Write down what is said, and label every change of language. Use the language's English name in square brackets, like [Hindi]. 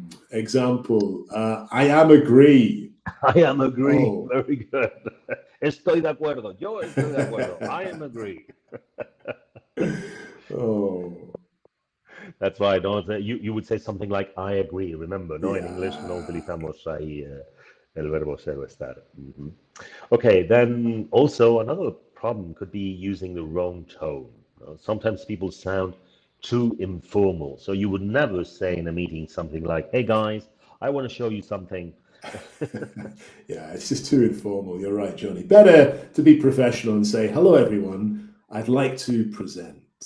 [English] Example, I am agree. I am agree. Oh. Very good. [Spanish] Estoy de acuerdo. Yo estoy de acuerdo. [English] I am agree. Oh. That's why I don't say, you would say something like, I agree. Remember, no, yeah. In English, [Spanish] no utilizamos ahí el verbo ser o estar. [English] Okay, then also another problem could be using the wrong tone. Sometimes people sound too informal. So you would never say in a meeting something like, "Hey guys, I want to show you something." Yeah, it's just too informal. You're right, Johnny. Better to be professional and say, "Hello everyone, I'd like to present."